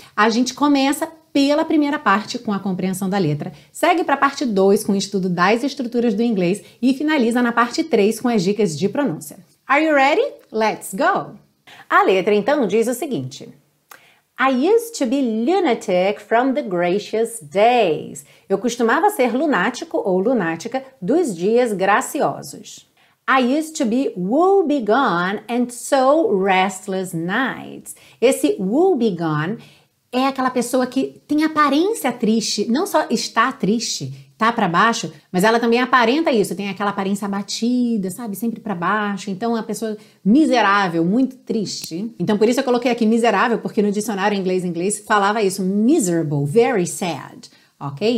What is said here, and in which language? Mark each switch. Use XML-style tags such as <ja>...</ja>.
<pt>A gente começa pela primeira parte com a compreensão da letra, segue para a parte 2 com o estudo das estruturas do inglês e finaliza na parte 3 com as dicas de pronúncia.</pt> <en>Are you ready? Let's go!</en> <pt>A letra então diz o seguinte:</pt> <en>I used to be lunatic from the gracious days.</en> <pt>Eu costumava ser lunático ou lunática dos dias graciosos.</pt> <en>I used to be woebegone and so restless nights.</en> <pt>Esse woebegone é aquela pessoa que tem aparência triste, não só está triste, tá para baixo, mas ela também aparenta isso, tem aquela aparência abatida, sabe, sempre para baixo, então é uma pessoa miserável, muito triste. Então por isso eu coloquei aqui miserável, porque no dicionário inglês falava isso,</pt> <en>miserable, very sad,</en> <pt>ok?</pt>